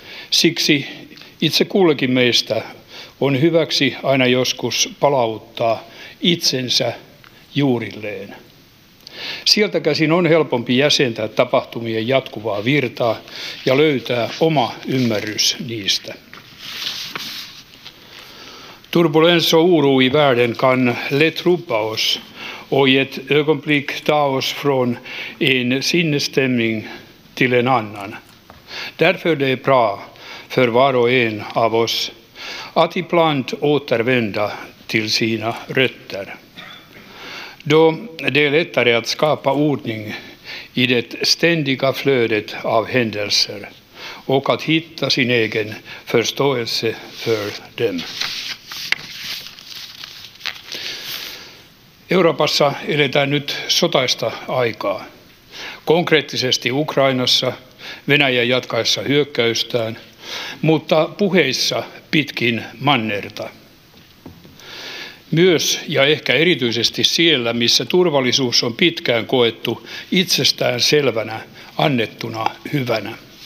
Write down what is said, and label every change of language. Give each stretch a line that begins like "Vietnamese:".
Finnish: Siksi itse kullekin meistä on hyväksi aina joskus palauttaa itsensä juurilleen. Sieltä käsin on helpompi jäsentää tapahtumien jatkuvaa virtaa ja löytää oma ymmärrys niistä.
Swedish: Turbulens och oro i världen kan lätt ropa oss och i ett ögonblick ta oss från en sinnesstämning till en annan. Därför det är bra för var och en av oss att ibland återvända till sina rötter. Då det är lättare att skapa ordning i det ständiga flödet av händelser och att hitta sin egen förståelse för dem.
Finnish: Euroopassa eletään nyt sotaista aikaa. Konkreettisesti Ukrainassa, Venäjän jatkaessa hyökkäystään, mutta puheissa pitkin mannerta. Myös ja ehkä erityisesti siellä, missä turvallisuus on pitkään koettu itsestään selvänä, annettuna hyvänä.